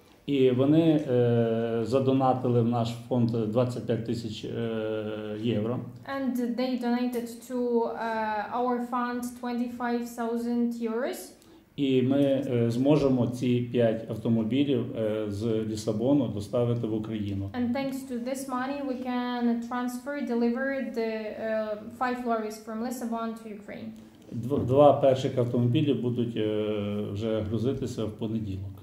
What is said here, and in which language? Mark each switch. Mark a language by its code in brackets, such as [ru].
[uk] І вони задонатили в наш фонд 25 тисяч євро. [en] And they donated to our fund 25,000 euros. [uk] І ми зможемо ці 5 автомобілів з Лісабону доставити в Україну. [en] And thanks to this money we can transfer, deliver the 5 lorries from Lisbon to Ukraine. [uk] Два перших автомобілі будуть вже грузитися в понеділок.